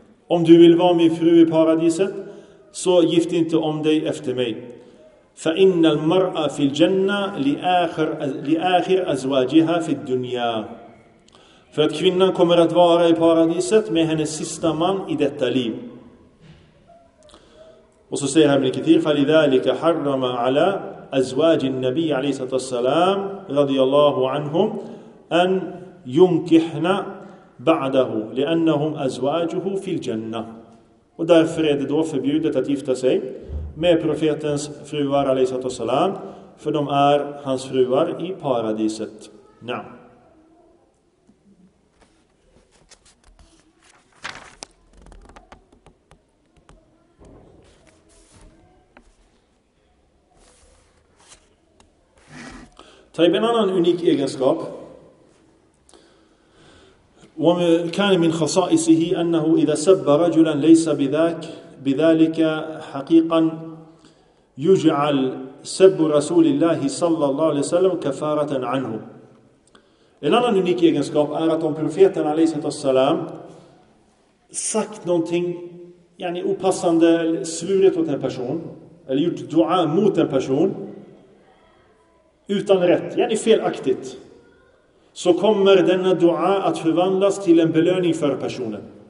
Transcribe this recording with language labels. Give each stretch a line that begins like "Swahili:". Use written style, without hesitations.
Swedish: Om du vill vara min fru i paradiset, så gift inte om dig efter mig.
Arabic: فَإِنَّ الْمَرْأَ فِي الْجَنَّةِ لِآخِرْ أَزْوَاجِهَا فِي الدُّنْيَا.
Swedish: För att kvinnan kommer att vara i paradiset med hennes sista man i detta liv. Och så säger han med kathir:
Arabic: فَلِذَلِكَ حَرَّمَ عَلَى أَزْوَاجِ النَّبِيِّ عَلَيْهِ سَلَّمَ السَّلَامِ رَضِيَ اللَّهُ عَنْهُمْ أَنْ يُنْكِحْنَا بعده لانهم ازواجه في الجنه.
Swedish: Och därför är det då förbjudet att gifta sig med profetens fruar alayhi salam, för de är hans fruar i paradiset. Ja.
Arabic: Taib,
Swedish: en annan unik egenskap:
Arabic: وكان من خصائصه أنه إذا سب رجلا ليس بذلك حقيقا يجعل سب رسول الله صلى الله عليه وسلم كفارة عنه.
Swedish: En annan unik egenskap är att om profeten alaihissalam sagt någonting, yani opassande, svurit åt en person eller gjort dua mot en person utan rätt, yani felaktigt, så kommer denna dua att förvandlas till en belöning för personen.